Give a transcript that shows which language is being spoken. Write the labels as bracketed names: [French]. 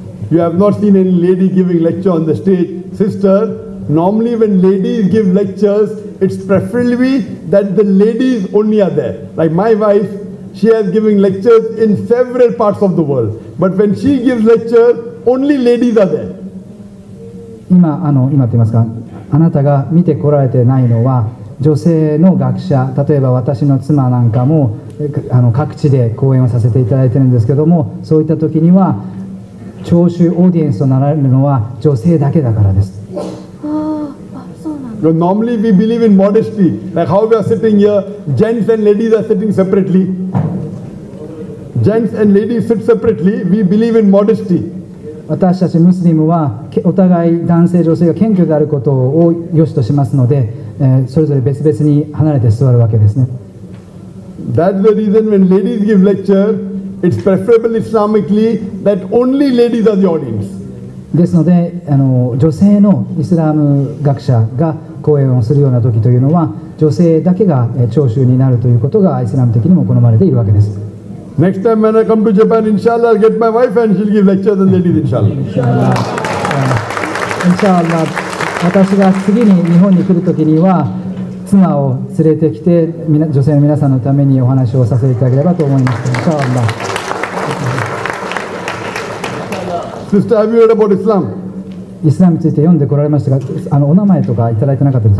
[English] You have not seen any lady giving lecture on the stage. Sister, normally when ladies give lectures, it's preferably that the ladies only are there. Like my wife, she has given lectures in several parts of the world. But when she gives lecture, only ladies are there. [Japanese] 今って言いますか? あなたが見てこられてないのは女性の学者、例えば私の妻なんかも各地で講演をさせていただいてるんですけども、そういった時には聴衆、オーディエンスとなられるのは女性だけだからです。ああ、そうなんだ。 [English] Normally we believe in modesty, like how we are sitting here, gents and ladies are sitting separately. Gents and ladies sit separately, we believe in modesty. [Japanese] 私たちムスリムはお互い男性女性が謙虚であることを良しとしますので、それぞれ別々に離れて座るわけですね。 [English] That's the reason when ladies give lecture, it's preferable Islamically that only ladies are the audience. [Japanese] ですので、女性のイスラム学者が講演をするような時というのは、女性だけが聴衆になるということがイスラム的にも好まれているわけです。 [English] Next time when I come to Japan, inshallah, I'll get my wife and she'll give lectures and ladies, inshallah. [Arabic] Inshallah. [Japanese] 私が次に日本に来るときには妻を連れてきて女性の皆さんのためにお話をさせていただければと思います。 [Arabic] Inshallah. [English] Sister, have you heard about Islam? [Japanese] イスラムについて読んでこられましたが、お名前とかいただいてなかったです